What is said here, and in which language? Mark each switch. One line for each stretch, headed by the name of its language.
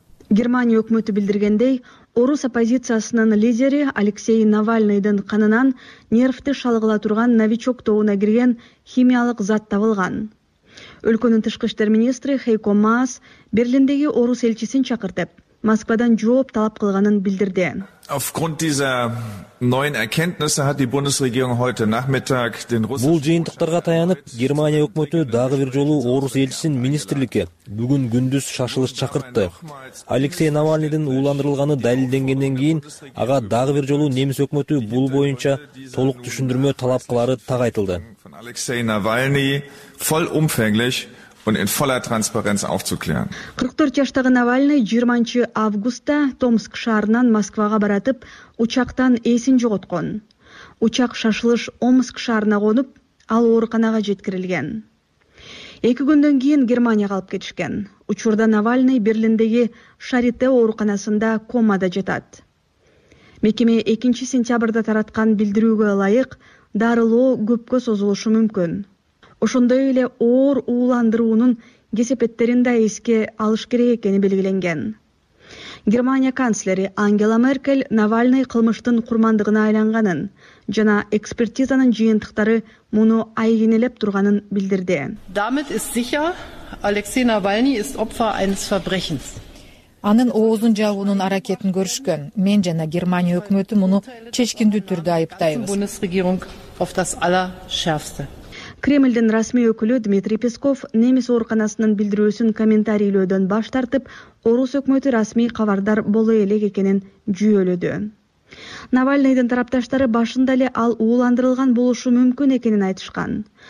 Kyrgyz: Германия өкмөтү билдиргендей, орус оппозициясынын лидери Алексей Навальныйдын канынан нервти шалгыла турган новичок тобуна кирген химиялык зат табылган. Өлкөнүн тышкы иштер министри Хейко Маас Берлиндеги орус элчисин чакыртып, Москвадан жооп талап кылганын билдирди.
German: Aufgrund dieser neuen Erkenntnisse hat die Bundesregierung heute Nachmittag den Russen.
Kyrgyz: Бул жыйынтыктарга таянып, Германия өкмөтү дагы бир жолу орус элчисин министрликке бүгүн күндүз шашылыш чакыртты. Алексей Навальныйдын ууландырылганы далилденгенден кийин ага дагы бир жолу немис өкмөтү бул боюнча толук түшүндүрмө талап кылары тагайтылды.
German: Алексей Навальный vollumfänglich und in voller Transparenz aufzuklären.
Kyrgyz: 44 жаштагы Навальный 20 августта Томск шаарынан Москвага баратып, учактан эсин жоготкон. Учак шашылыш Омск шаарына конуп, ал ооруканага жеткирилген. 2 күндөн кийин Германияга алып кетишкен. Учурда Навальный Берлиндеги Шарите ооруканасында комада жатат. Мекеме 2 сентябрда тараткан билдирүүгө ылайык, дарылоо көпкө созулушу мүмкүн. Ошондой эле оор ууландыруунун кесепеттерин да эске алыш керек экени белгиленген. Германия канцлери Ангела Меркель Навальный кылмыштын курмандыгына айланганын жана экспертизанын жыйынтыктары муну айгинелеп турганын билдирди.
German: Damit ist sicher, Алексей Навальный ist Opfer eines Verbrechens.
Kyrgyz: Анын оозун жагуунун аракетин көрүшкөн. Мен жана Германия өкмөтү муну чечкиндүү түрдө айыптайбыз.
German: Bundesregierung auf das aller schärfste.
Kyrgyz: Кремльдин расмий өкүлү Дмитрий Песков немис ооруканасынын билдирүүсүн комментарийлөөдөн баш тартып, орус өкмөтү расмий кабардар боло элек экенин жүйөлөдү. Навальныйдын тарапташтары башында эле ал ууландырылган болушу мүмкүн экенин айтышкан.